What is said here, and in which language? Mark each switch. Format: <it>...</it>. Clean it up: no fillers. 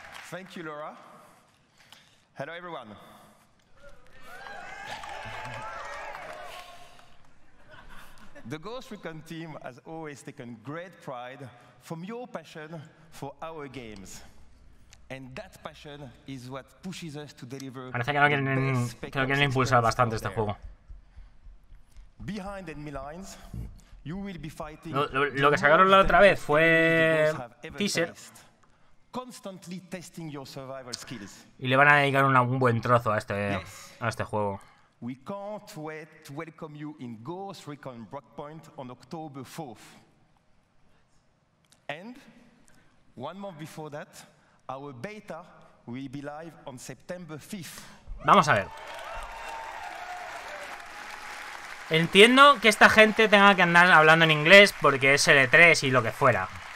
<en>Thank you, Laura. Hello, everyone. The Ghost Recon team has always taken great pride from your passion for our games. And that passion is what pushes us to deliver.</en> <es>Parece que no quieren impulsar bastante este juego.</es> <en>Behind enemy lines, you will be fighting.</en> <es>Lo que sacaron la otra vez fue teaser.</es> <en>Constantly testing your survival skills.</en> <es>Y le van a dedicar un buen trozo a este juego.</es> <en>We can't wait to welcome you in Ghost Recon Breakpoint on October 4th. And one month before that, our beta will be live on September 5th.</en> <es>Vamos a ver. Entiendo que esta gente tenga que andar hablando en inglés porque es L3 y lo que fuera.</es>